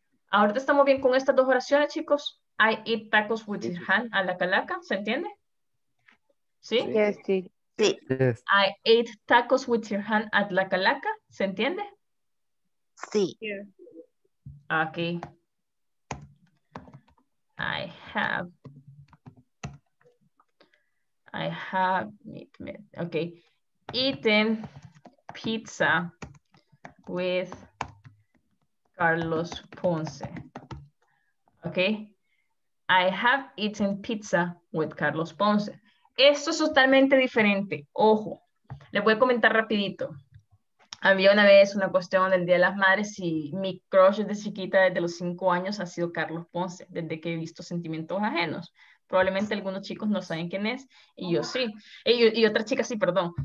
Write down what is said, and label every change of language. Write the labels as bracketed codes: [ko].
[es] Ahorita estamos bien con estas dos oraciones, chicos. [en] I eat tacos with Sirhan at La Calaca. [es] ¿Se entiende? ¿Sí? [en] Yes, sí. [es] Sí. [en] I ate tacos with Sirhan at La Calaca. [es] ¿Se entiende? Sí. [en] Ok. I have I have meat, meat. Okay. Eaten pizza with Carlos Ponce. Okay. I have eaten pizza with Carlos Ponce. [es] Esto es totalmente diferente. Ojo. Le voy a comentar rapidito. Había una vez una cuestión del Día de las Madres y mi crush desde chiquita, desde los 5 años, ha sido Carlos Ponce, desde que he visto Sentimientos Ajenos. Probablemente algunos chicos no saben quién es, y yo sí. Y otra chica sí, perdón.